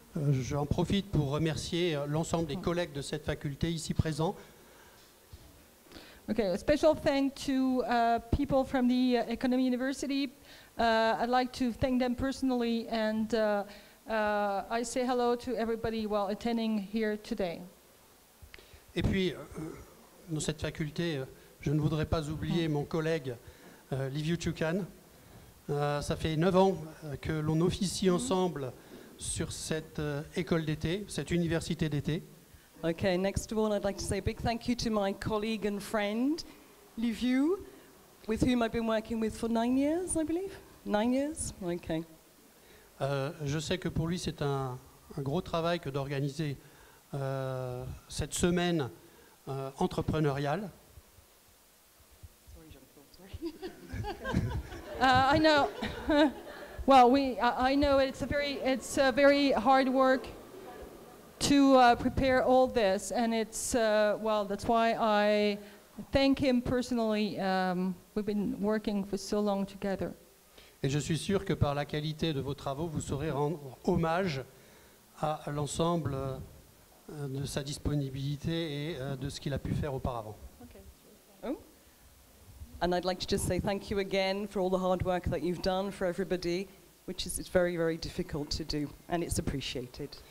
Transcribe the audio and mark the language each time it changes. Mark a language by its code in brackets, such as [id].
[fr] J'en profite pour remercier l'ensemble des collègues de cette faculté ici présents. [en] Okay, a special thank to people from the Economy University. I'd like to thank them personally and I say hello to everybody while attending here today. [fr] Et puis, dans cette faculté, je ne voudrais pas oublier mon collègue Liviu Chukan. Ça fait 9 ans que l'on officie ensemble sur cette école d'été, cette université d'été. [en] Okay, next of all, I'd like to say a big thank you to my colleague and friend Liviu, with whom I've been working with for 9 years, I believe. 9 years? Okay. [fr] Je sais que pour lui, c'est un gros travail que d'organiser cette semaine entrepreneuriale. [en] Sorry, Jean-Claude, sorry. I know. Well, I know it's a very hard work to prepare all this, and it's that's why I thank him personally. We've been working for so long together. [fr] Et je suis sûr que par la qualité de vos travaux, vous saurez rendre hommage à l'ensemble de sa disponibilité et de ce qu'il a pu faire auparavant. [en] Okay. And I'd like to just say thank you again for all the hard work that you've done for everybody, which is very, very difficult to do, and it's appreciated.